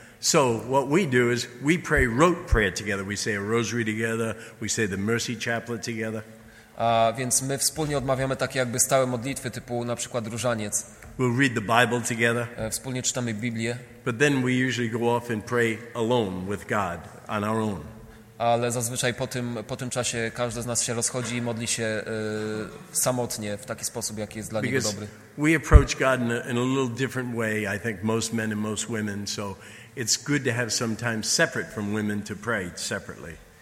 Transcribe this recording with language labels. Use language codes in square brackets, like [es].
[en] So what we do is we pray rote prayer together. We say a rosary together. We say the mercy chaplet together. [pl] A więc my wspólnie odmawiamy takie jakby stałe modlitwy typu na przykład różaniec. [en] We'll read the Bible together. [pl] Wspólnie czytamy Biblię. [en] But then we usually go off and pray alone with God on our own. [pl] Ale zazwyczaj po tym czasie każdy z nas się rozchodzi i modli się samotnie w taki sposób, jaki jest dla niego dobry. [en] Because we approach God in a little different way, I think most men and most women, so it's good to have some time separate from women to pray separately.